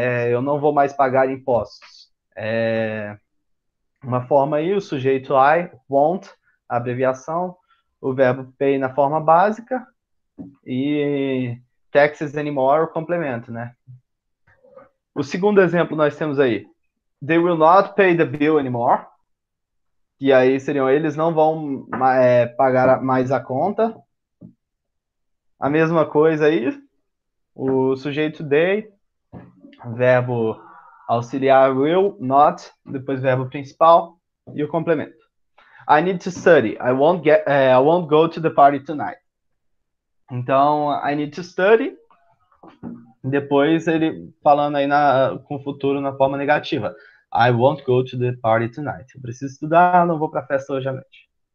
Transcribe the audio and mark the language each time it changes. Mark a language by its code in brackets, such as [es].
[pt] Eu não vou mais pagar impostos. Uma forma aí, o sujeito [en] I won't, [pt] abreviação, o verbo pay na forma básica e [en] taxes anymore, [pt] o complemento, né? O segundo exemplo nós temos aí. [en] They will not pay the bill anymore. [pt] E aí seriam eles não vão pagar mais a conta. A mesma coisa aí, o sujeito they, verbo auxiliar will, not, depois verbo principal e o complemento. [en] I need to study. I won't go to the party tonight. Então, I need to study. [pt] Depois ele falando aí com o futuro na forma negativa. [en] I won't go to the party tonight. [pt] Eu preciso estudar, não vou para a festa hoje à noite.